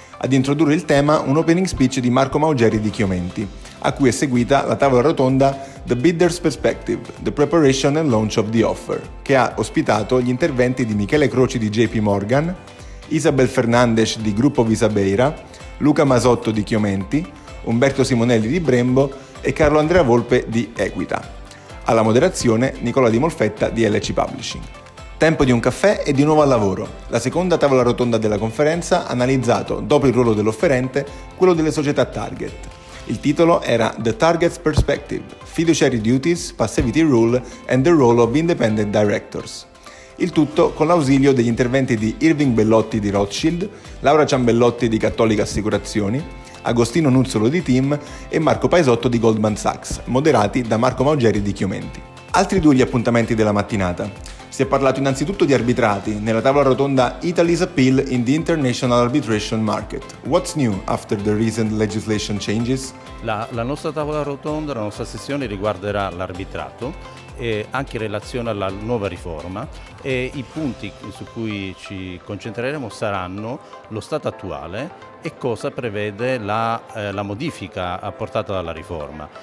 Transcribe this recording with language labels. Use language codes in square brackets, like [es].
[it] Ad introdurre il tema, un opening speech di Marco Maugeri di Chiomenti, a cui è seguita la tavola rotonda The Bidder's Perspective, The Preparation and Launch of the Offer, che ha ospitato gli interventi di Michele Croci di JP Morgan, Isabel Fernandez di Gruppo Visabeira, Luca Masotto di Chiomenti, Umberto Simonelli di Brembo e Carlo Andrea Volpe di Equita. Alla moderazione, Nicola Di Molfetta di LC Publishing. Tempo di un caffè e di nuovo al lavoro. La seconda tavola rotonda della conferenza ha analizzato, dopo il ruolo dell'offerente, quello delle società target. Il titolo era The Target's Perspective, Fiduciary Duties, Passivity Rule and the Role of Independent Directors. Il tutto con l'ausilio degli interventi di Irving Bellotti di Rothschild, Laura Ciambellotti di Cattolica Assicurazioni, Agostino Nuzzolo di TIM e Marco Paesotto di Goldman Sachs, moderati da Marco Maugeri di Chiomenti. Altri due gli appuntamenti della mattinata. Si è parlato innanzitutto di arbitrati, nella tavola rotonda Italy's Appeal in the International Arbitration Market. [en] What's new after the recent legislation changes? [it] La nostra tavola rotonda, la nostra sessione riguarderà l'arbitrato, anche in relazione alla nuova riforma, e i punti su cui ci concentreremo saranno lo stato attuale e cosa prevede la modifica apportata dalla riforma.